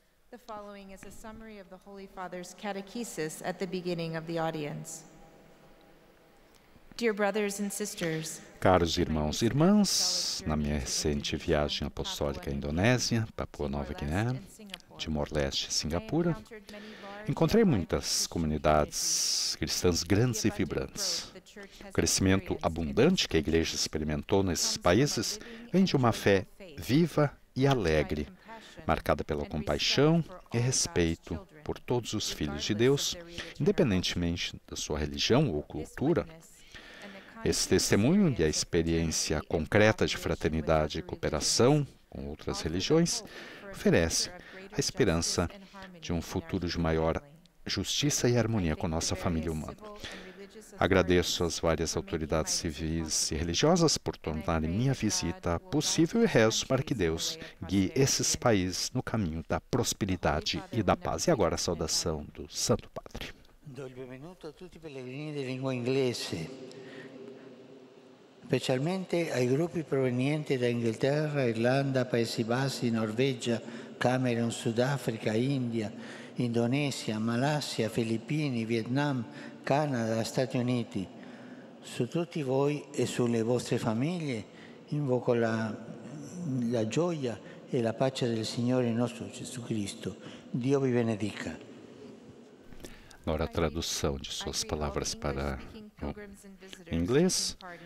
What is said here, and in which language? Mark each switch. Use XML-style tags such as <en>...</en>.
<en>The following is a summary of the Holy Father's catechesis at the beginning of the audience. Dear brothers and sisters,</en> <pt>caros irmãos e irmãs, na minha recente viagem apostólica à Indonésia, Papua Nova Guiné, Timor-Leste e Singapura, encontrei muitas comunidades cristãs grandes e vibrantes. O crescimento abundante que a igreja experimentou nesses países vem de uma fé viva e alegre, marcada pela compaixão e respeito por todos os filhos de Deus, independentemente da sua religião ou cultura. Esse testemunho e a experiência concreta de fraternidade e cooperação com outras religiões oferece a esperança de um futuro de maior justiça e harmonia com nossa família humana. Agradeço às várias autoridades civis e religiosas por tornarem minha visita possível e rezo para que Deus guie esses países no caminho da prosperidade e da paz. E agora a saudação do Santo Padre.</pt> <it>Dou o benvenuto a tutti i pellegrini di lingua inglese, specialmente ai gruppi provenienti da Inghilterra, Irlanda, Paesi Bassi, Norvegia, Camerun, Sudafrica, India, Indonesia, Malaysia, Filippini, Vietnam, Canada, Stati Uniti. Su tutti voi e sulle vostre famiglie invoco la gioia e la pace del Signore nostro Gesù Cristo. Dio vi benedica.</it> <pt>Ora a tradução de suas palavras para o inglês.</pt>